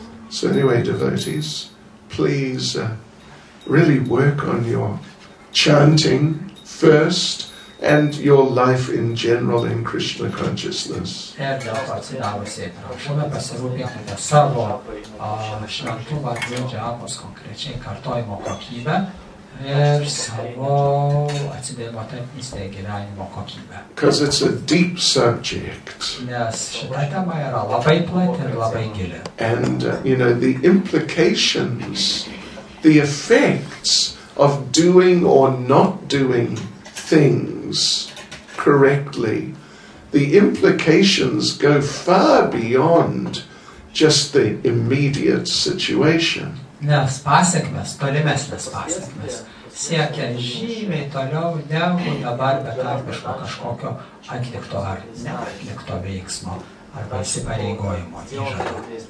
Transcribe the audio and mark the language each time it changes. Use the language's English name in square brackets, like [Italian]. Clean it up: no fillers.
[English] So anyway, devotees, please really work on your chanting first, and your life in general in Krishna consciousness. [Lithuanian] Ir dėl to atsidavusiai prašome pasirūpinkite savo šventumą, džiapos konkrečiai kartojimo kokybę ir savo atsidavimo tarpnystėje gyvenimo kokybę. [English] Because it's a deep subject. [Lithuanian] Nes šita tema yra labai plati ir labai gili. [English] And, you know, the implications, the effects of doing or not doing things correctly, the implications go far beyond just the immediate situation. [Lithuanian] Nes pasekmes, tolimesnės pasekmes, siekia žymiai toliau negu dabar betarpiško kažkokio atlikto ar neatlikto veiksmo arba įsipareigojimo įžado.